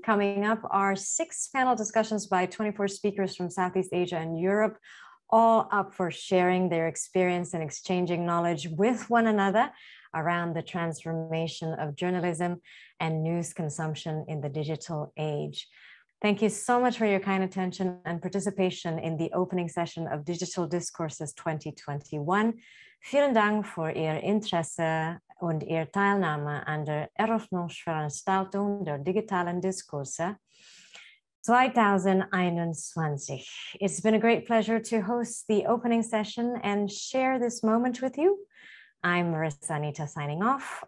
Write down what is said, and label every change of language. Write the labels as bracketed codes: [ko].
[en] Coming up are six panel discussions by 24 speakers from Southeast Asia and Europe, all up for sharing their experience and exchanging knowledge with one another around the transformation of journalism and news consumption in the digital age. Thank you so much for your kind attention and participation in the opening session of Digital Discourses 2021. [de] Vielen Dank für Ihr Interesse und Ihr Teilnahme an der Eröffnungsveranstaltung der digitalen Diskurse 2021. [en] It's been a great pleasure to host the opening session and share this moment with you. I'm Marissa Anita signing off.